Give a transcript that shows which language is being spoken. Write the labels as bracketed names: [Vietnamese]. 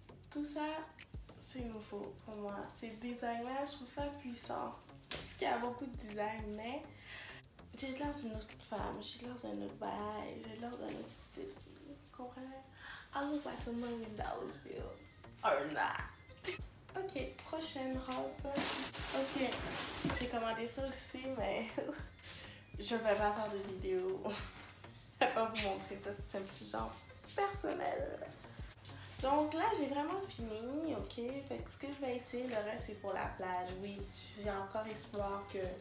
[French] Tout ça, c'est nouveau pour moi. C'est designer, je trouve ça puissant. Parce qu'il y a beaucoup de design, mais... J'ai l'air d'une autre femme, j'ai l'air d'un autre bail, j'ai l'air d'un autre style. Vous comprenez? [English] I look like a $1 million bill. Or not. [French] Ok, prochaine robe. Ok, j'ai commandé ça aussi, mais je vais pas faire de vidéo. Je vais pas vous montrer ça, c'est un petit genre personnel. Donc là, j'ai vraiment fini, ok? Fait que ce que je vais essayer, le reste, c'est pour la plage. Oui, j'ai encore espoir que...